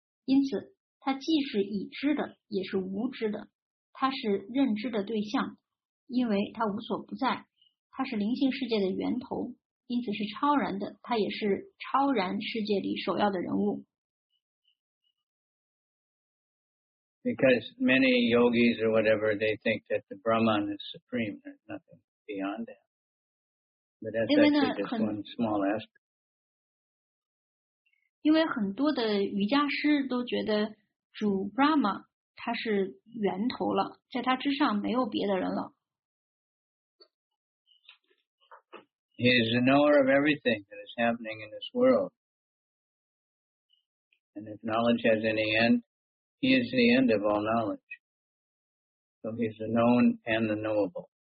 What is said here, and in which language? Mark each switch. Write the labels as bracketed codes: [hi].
[zh] 因此，它既是已知的，也是无知的。他是认知的对象，因为他无所不在，他是灵性世界的源头，因此是超然的，他也是超然世界里首要的人物。 [en] Because many yogis or whatever, they think that the Brahman is supreme. There's nothing beyond that. But that's actually just one small aspect. [zh] 因为很多的瑜伽师都觉得主 Brahma 他是源头了, 在他之上没有别的人了。 [en] He is the knower of everything that is happening in this world. And if knowledge has any end, he is the end of all knowledge. So he is the known and the knowable.